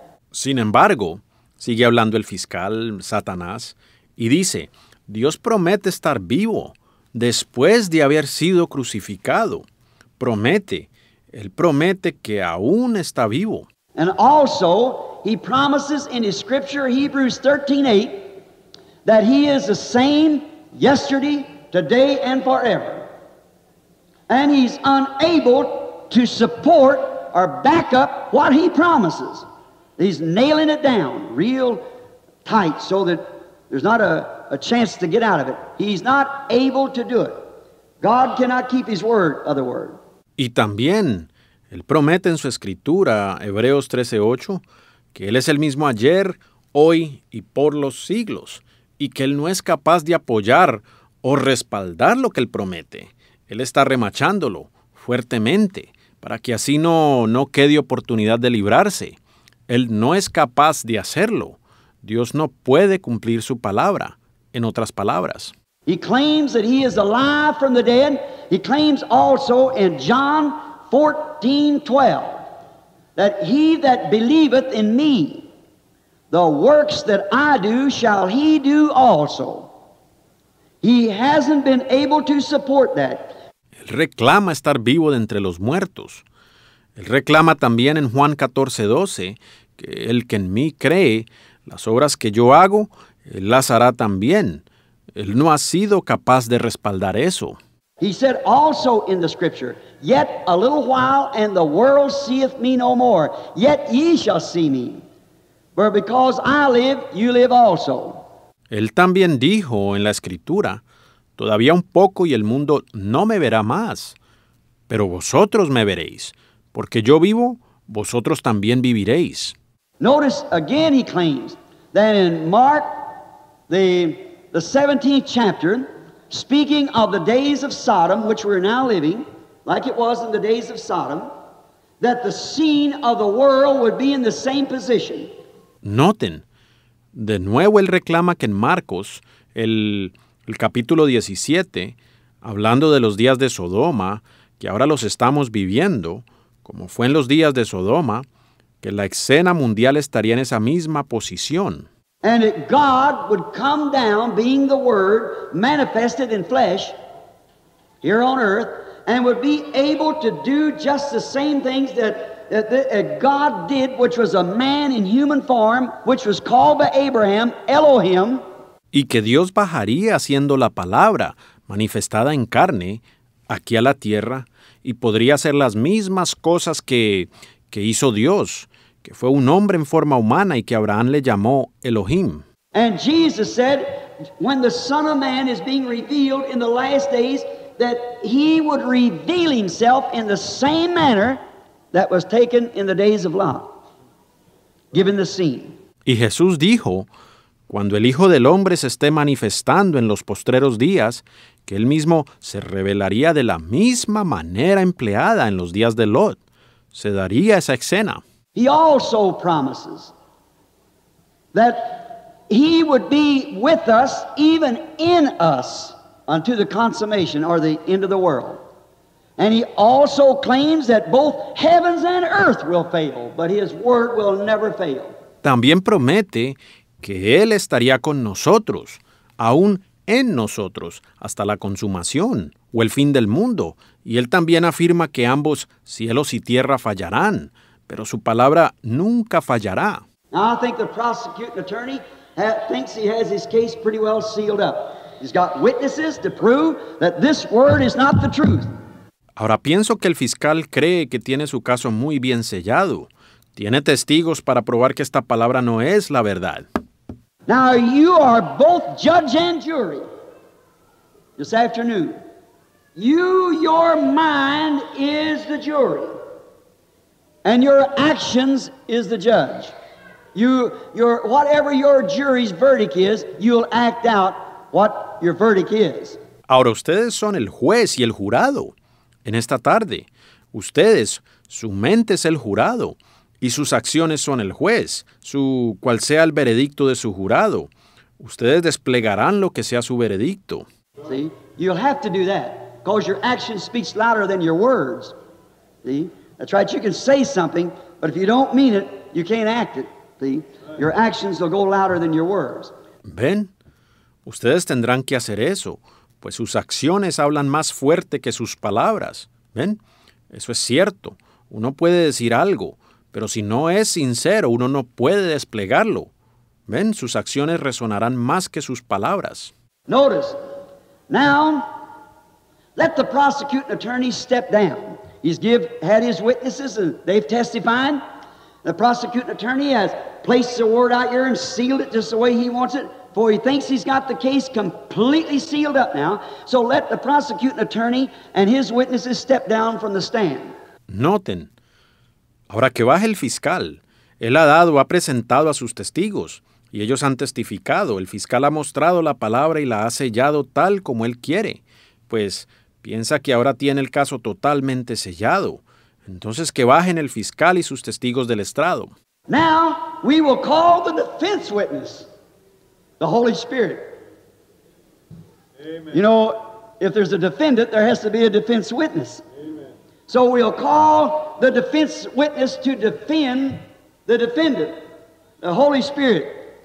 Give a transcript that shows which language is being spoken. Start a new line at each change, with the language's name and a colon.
Spanish: Sin embargo, sigue hablando el fiscal, Satanás, y dice, Dios promete estar vivo después de haber sido crucificado. Promete. Él promete que aún está vivo.
English: And also, he promises in his scripture, Hebrews 13:8, that he is the same yesterday, today, and forever. And he's unable to support or back up what he promises. He's nailing it down real tight so that there's not a chance to get out of it. He's not able to do it. God cannot keep his word, other word.
Spanish: Y también, él promete en su escritura, Hebreos 13:8, que él es el mismo ayer, hoy y por los siglos, y que él no es capaz de apoyar o respaldar lo que él promete. Él está remachándolo fuertemente para que así no quede oportunidad de librarse. Él no es capaz de hacerlo. Dios no puede cumplir su palabra, en otras palabras.
English: He claims that he is alive from the dead. He claims also in John 14:12 that he that believeth in me, the works that I do shall he do also. He hasn't been able to support that.
Spanish: Él reclama estar vivo de entre los muertos. Él reclama también en Juan 14:12 que el que en mí cree, las obras que yo hago, él las hará también. Él no ha sido capaz de respaldar eso.
English: He said also in the scripture, yet a little while and the world seeth me no more, yet ye shall see me. For because I live, you live also.
Spanish: Él también dijo en la escritura, todavía un poco y el mundo no me verá más, pero vosotros me veréis, porque yo vivo, vosotros también viviréis.
English: Notice again he claims that in Mark, the 17th chapter, speaking of the days of Sodom, which we're now living, like it was in the days of Sodom, that the scene of the world would be in the same position.
Spanish: Noten, de nuevo él reclama que en Marcos, el capítulo 17, hablando de los días de Sodoma, que ahora los estamos viviendo, como fue en los días de Sodoma, que la escena mundial estaría en esa misma posición.
English: And that God would come down, being the Word, manifested in flesh, here on earth, and would be able to do just the same things that God did, which was a man in human form, which was called by Abraham, Elohim.
Spanish: Y que Dios bajaría haciendo la palabra manifestada en carne aquí a la tierra y podría hacer las mismas cosas que hizo Dios, que fue un hombre en forma humana y que Abraham le llamó Elohim.
English: And Jesus said, when the Son of Man is being revealed in the last days, that he would reveal himself in the same manner that was taken in the days of Lot, given the scene.
Spanish: Y Jesús dijo, cuando el Hijo del Hombre se esté manifestando en los postreros días, que él mismo se revelaría de la misma manera empleada en los días de Lot. Se daría esa escena.
English: He also promises that he would be with us, even in us, unto the consummation or the end of the world. And he also claims that both heavens and earth will fail, but his word will never fail.
Spanish: También promete que él estaría con nosotros, aún en nosotros, hasta la consumación o el fin del mundo. Y él también afirma que ambos cielos y tierra fallarán, pero su palabra nunca fallará.
English: Now, I think the prosecuting attorney thinks he has his case pretty well sealed up. He's got witnesses to prove that this word is not the truth.
Spanish: Ahora pienso que el fiscal cree que tiene su caso muy bien sellado. Tiene testigos para probar que esta palabra no es la verdad.
English: Now you are both judge and jury. This afternoon, your mind is the jury, and your actions is the judge. Whatever your jury's verdict is, you'll act out what your verdict is.
Spanish: Ahora ustedes son el juez y el jurado. En esta tarde, ustedes, su mente es el jurado y sus acciones son el juez, su cual sea el veredicto de su jurado. Ustedes desplegarán lo que sea su veredicto.
English: See, you'll have to do that because your action speaks louder than your words. See, that's right. You can say something, but if you don't mean it, you can't act it. See, your actions will go louder than your words.
Spanish: Ven, ustedes tendrán que hacer eso. Pues sus acciones hablan más fuerte que sus palabras. ¿Ven? Eso es cierto. Uno puede decir algo, pero si no es sincero, uno no puede desplegarlo. ¿Ven? Sus acciones resonarán más que sus palabras.
English: Notice. Now, let the prosecuting attorney step down. He's had his witnesses and they've testified. The prosecuting attorney has placed the word out here and sealed it just the way he wants it. For he thinks he's got the case completely sealed up now, so let the prosecuting attorney and his witnesses step down from the stand.
Spanish: Noten. Ahora que baje el fiscal, él ha presentado a sus testigos, y ellos han testificado. El fiscal ha mostrado la palabra y la ha sellado tal como él quiere, pues piensa que ahora tiene el caso totalmente sellado. Entonces que bajen el fiscal y sus testigos del estrado.
English: Now we will call the defense witness. The Holy Spirit. Amen. You know, if there's a defendant, there has to be a defense witness. Amen. So we'll call the defense witness to defend the defendant, the Holy Spirit.